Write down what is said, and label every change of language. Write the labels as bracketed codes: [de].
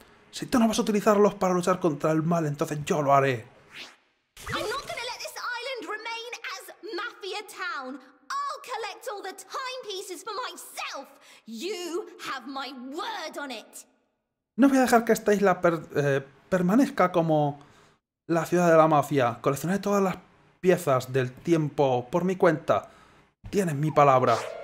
[es] Si tú no vas a utilizarlos para luchar contra el mal, entonces yo lo haré. [en] I'm not gonna let this island remain as Mafia Town. I'll collect all the the timepieces for myself. You have my word on it. [es] No voy a dejar que esta isla permanezca como la ciudad de la mafia. Coleccionaré todas las piezas del tiempo por mi cuenta. Tienes mi palabra.